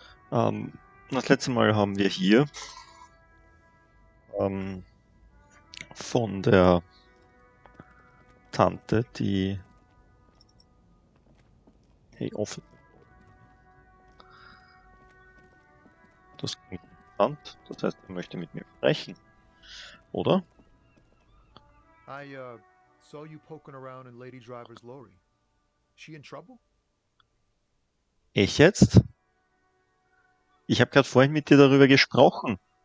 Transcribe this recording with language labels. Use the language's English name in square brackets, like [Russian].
[German] Das letzte Mal haben wir hier von der Tante, die... Hey, offen. Das klingt interessant. Das heißt, er möchte mit mir sprechen, oder? [English] I saw you poking around in Lady Driver's lorry. She in trouble? [German] Ich jetzt? Ich habe gerade vorhin mit dir darüber gesprochen.